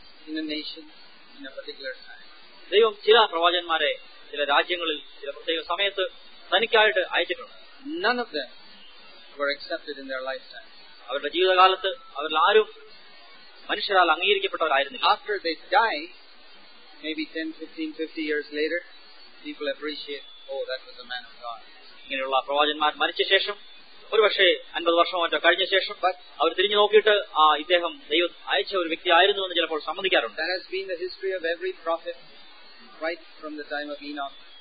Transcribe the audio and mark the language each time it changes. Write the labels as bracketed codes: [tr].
[en] In a nation, in a particular time. [ml] ദൈവം ചില പ്രവാചകന്മാരെ ചില രാജ്യങ്ങളിൽ ചില പ്രത്യേക സമയത്ത് തനിക്കായിട്ട് അയച്ചിട്ടുണ്ട്. [en] None of them were accepted in their lifetime. [ml] അവരുടെ ജീവിതകാലത്ത് അവരിൽ ആരും മനുഷ്യരാൽ അംഗീകരിക്കപ്പെട്ടവരായിരുന്നില്ല. [en] After they die, maybe 10-15-50 years later, people appreciate, oh, that was a man of God. [ml] ഇങ്ങനെയുള്ള പ്രവാചകന്മാർ മരിച്ച ശേഷം ഒരുപക്ഷെ 50 വർഷം മറ്റോ കഴിഞ്ഞ ശേഷം അവർ തിരിഞ്ഞു നോക്കിയിട്ട് ആ ഇദ്ദേഹം ദൈവം അയച്ച ഒരു വ്യക്തി ആയിരുന്നു എന്ന് ചിലപ്പോൾ സമ്മതിക്കാറുണ്ട്. [en] That has been the history of every prophet right from the time of Enoch.